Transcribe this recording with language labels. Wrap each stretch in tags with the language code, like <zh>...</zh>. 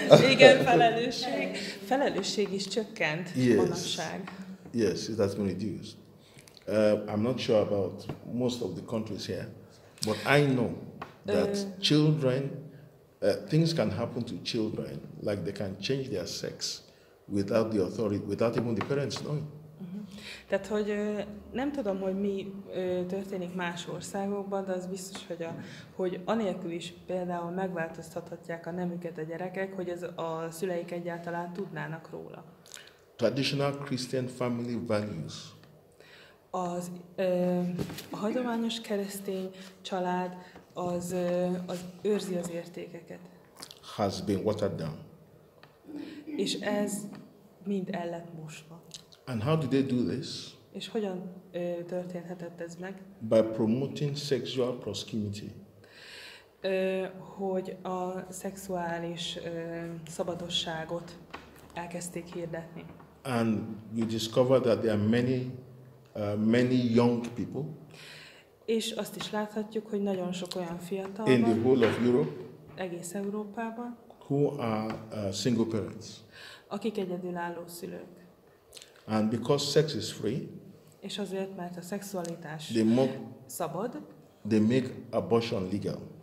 <hu>Igen, felelősség. Felelősség is csökkent manapság.</hu> <en>Yes, it has been reduced. I'm not sure about most of the countries here, but I know that children, things can happen to children, like they can change their sex without the authority, without even the parents knowing.</en> <hu>Tehát, hogy nem tudom, hogy mi történik más országokban, de az biztos, hogy, hogy anélkül is például megváltoztathatják a nemüket a gyerekek, hogy ez a szüleik egyáltalán tudnának róla.</hu> <en>Traditional Christian family values.</en> <hu>Az a hagyományos keresztény család az, az őrzi az értékeket.</hu> <en>Has been watered down.</en> <hu>És ez mind el lett mosva.</hu> <en>And how did they do this?</en> <hu>És hogyan történhetett ez meg?</hu> <en>By promoting sexual proximity.</en> <hu>Hogy a szexuális szabadosságot elkezdték hirdetni.</hu> <en>And you discover that there are many young people.</en> <hu>És azt is láthatjuk, hogy nagyon sok olyan fiatal</hu> <en>in the whole of Europe,</en> <hu>egész Európában,</hu> <en>who are single parents.</en> <hu>Akik egyedülálló szülők.</hu> <en>And because sex is free,</en> <hu>és azért, mert a szexualitás szabad,</hu> <en>they make abortion legal.</en>